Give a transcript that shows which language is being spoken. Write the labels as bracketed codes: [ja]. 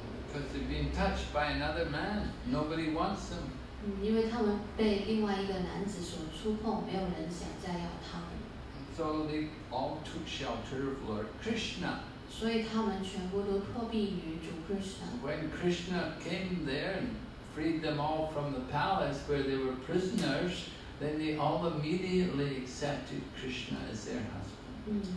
[en] Because they've been touched by another man, nobody wants them. [zh] 因为他们被另外一个男子所触碰，没有人想再要他们。 [en] So they all took shelter of Lord Krishna. [zh] 所以他们全部都托庇于主 Krishna. [en] When Krishna came there and freed them all from the palace where they were prisoners, then they all immediately accepted Krishna as their husband.